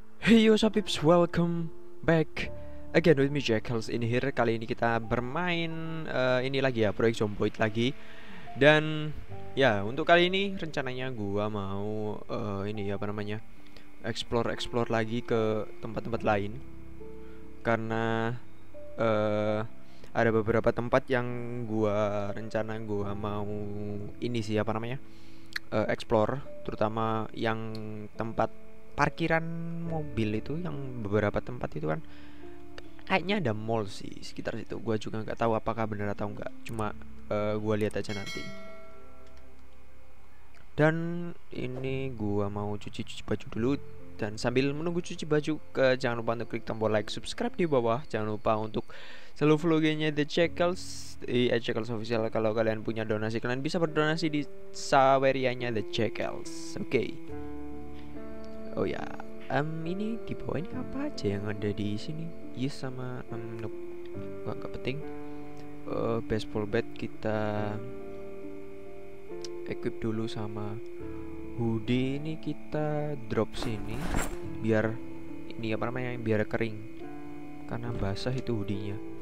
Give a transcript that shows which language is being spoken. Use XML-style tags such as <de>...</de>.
<en>Hey yo sobibs, welcome back again with me Jackals in here.</en> <id>Kali ini kita bermain ini lagi ya, proyek Zomboid lagi. Dan ya, untuk kali ini rencananya gua mau ini apa namanya, explore lagi ke tempat-tempat lain. Karena ada beberapa tempat yang gua mau ini sih apa namanya, explore, terutama yang tempat parkiran mobil itu, yang beberapa tempat itu kan kayaknya ada mall sih sekitar situ. Gua juga nggak tahu apakah benar atau enggak, cuma gua lihat aja nanti. Dan ini gua mau cuci baju dulu, dan sambil menunggu cuci baju, jangan lupa untuk klik tombol like, subscribe di bawah. Jangan lupa untuk selalu vlognya The Jackals di Jackals Official. Kalau kalian punya donasi, kalian bisa berdonasi di Saweria-nya The Jackals. Oke. Oh ya, ini di bawah ini apa aja yang ada di sini? Yes sama nope, gak penting. Baseball bat kita equip dulu, sama hoodie ini kita drop sini biar ini apa namanya, biar kering karena basah itu hoodie-nya.</id>